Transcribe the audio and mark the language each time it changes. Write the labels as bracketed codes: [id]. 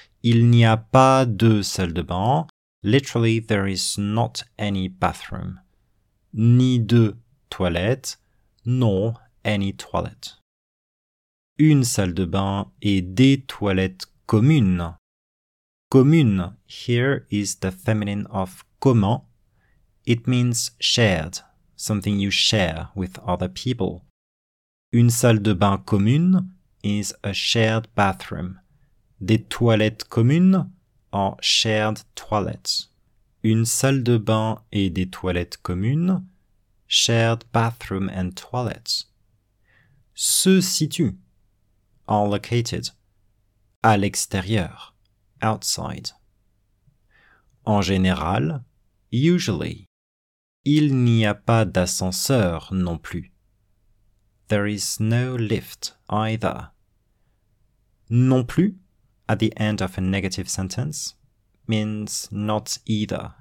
[fr] il n'y a pas de salle de bain. [en] Literally, there is not any bathroom. [fr] Ni de toilette. Non, [en] any toilet. [fr] Une salle de bain et des toilettes communes. [en] Commune, here is the feminine of commun. It means shared, something you share with other people. [fr] Une salle de bain commune [en] is a shared bathroom. [fr] Des toilettes communes [en] are shared toilets. [fr] Une salle de bain et des toilettes communes, [en] shared bathroom and toilets. [fr] Se situe, [en] are located, [fr] à l'extérieur, outside. En général, usually, il n'y a pas d'ascenseur non plus. [en] There is no lift either. Non plus, at the end of a negative sentence, means not either.